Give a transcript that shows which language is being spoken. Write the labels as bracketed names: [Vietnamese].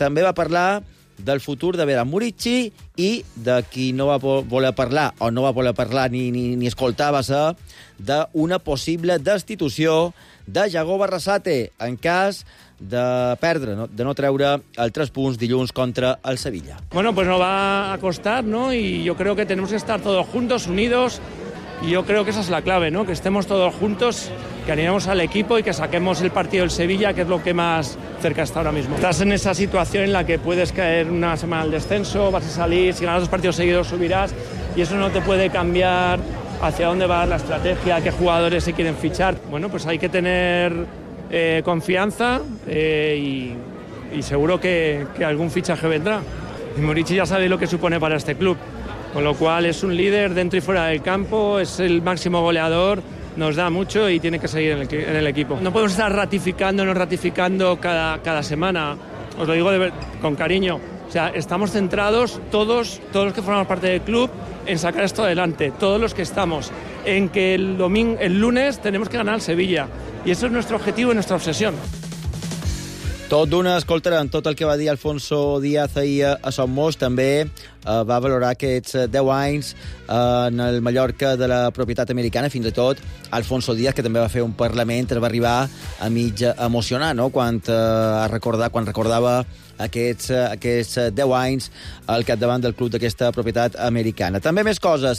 [Catalan] També va parlar del futur de Vera Murici, i de qui no va voler parlar, o no va voler parlar ni escoltar, va ser d'una possible destitució de Jagó Barrasate en cas de perdre, no? De no treure els 3 punts dilluns contra el Sevilla. [Spanish] Bueno, pues no va a costar, ¿no? Y yo creo que tenemos que estar todos juntos, unidos, y yo creo que esa es la clave, ¿no? Que estemos todos juntos, que animemos al equipo y que saquemos el partido del Sevilla, que es lo que más cerca está ahora mismo. Estás en esa situación en la que puedes caer una semana al descenso, vas a salir, si ganas 2 partidos seguidos subirás, y eso no te puede cambiar hacia dónde va la estrategia, qué jugadores se quieren fichar. Bueno, pues hay que tener confianza y seguro que algún fichaje vendrá. Y Murici ya sabe lo que supone para este club, con lo cual es un líder dentro y fuera del campo, es el máximo goleador, nos da mucho y tiene que seguir en el equipo. No podemos estar ratificando cada semana, os lo digo con cariño, O sea, estamos centrados todos los que formamos parte del club en sacar esto adelante, todos los que estamos, en que el lunes tenemos que ganar al Sevilla. Y eso es nuestro objetivo y nuestra obsesión. [Catalan] Tot d'una, escoltaran tot el que va dir Alfonso Díaz ahir a Son Mos. També va valorar aquests 10 anys en el Mallorca de la propietat americana. Fins i tot Alfonso Díaz, que també va fer un parlament, es va arribar a mig emocionar, no?, quan recordava aquests 10 anys al capdavant del club d'aquesta propietat americana. També més coses.